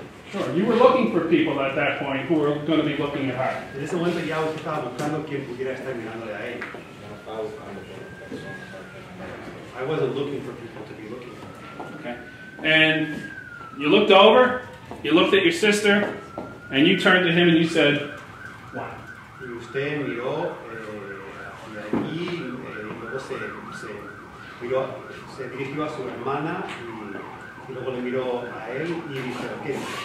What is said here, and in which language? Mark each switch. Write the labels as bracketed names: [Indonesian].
[English] Sure, you were looking for people at that point who were going to be looking at her. [Spanish] En ese momento ya usted estaba buscando quien pudiera estar mirándole a ella. [English] I wasn't looking for people to be looking at her. Okay. And you looked over, you looked at your sister, and you turned to him and you said, wow. [Spanish] Y usted miró hacia allí, luego se dirigió a su hermana, y luego le miró a él y dijo, ¿qué?